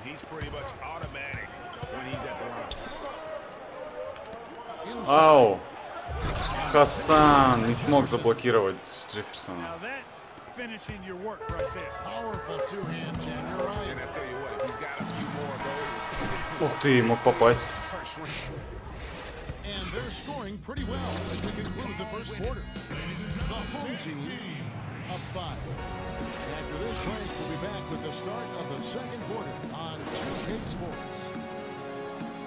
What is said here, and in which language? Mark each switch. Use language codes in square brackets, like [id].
[en] He's pretty much automatic when he's at the line. Ау! [ru] Хасан не смог заблокировать Джефферсона. [en] Finishing your work right there. Powerful two-hand jam. And I'll tell you what, he's got a few more goals. [ru] Ух ты, мог попасть. [en] And they're scoring pretty well as we conclude the first quarter. The home team up 5. After this break, we'll be back with the start of the second quarter on 2K Sports.